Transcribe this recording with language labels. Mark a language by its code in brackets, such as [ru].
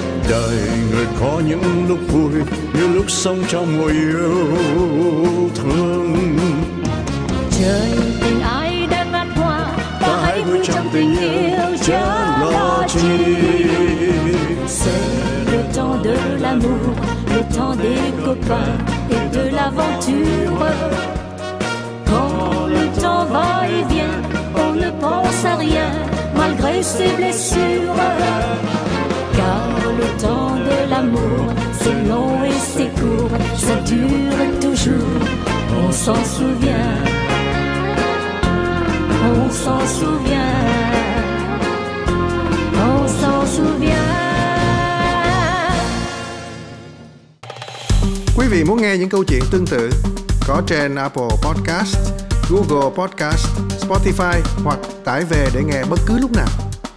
[vi] Đời người có những lúc vui, những lúc sống trong mùa yêu thương. Trời tình ai đã ngắt hoa, ta hãy vui trong tình yêu chớ lo chi. [fr] C'est le temps de l'amour, le temps des copains et de l'aventure. Quand le temps va et vient, on ne pense à rien malgré ses blessures. Car le temps de l'amour, c'est long et c'est court, ça dure toujours, on s'en souvient. On s'en souvient. On s'en souvient. [vi] Quý vị muốn nghe những câu chuyện tương tự có trên Apple Podcast, Google Podcast, Spotify hoặc tải về để nghe bất cứ lúc nào.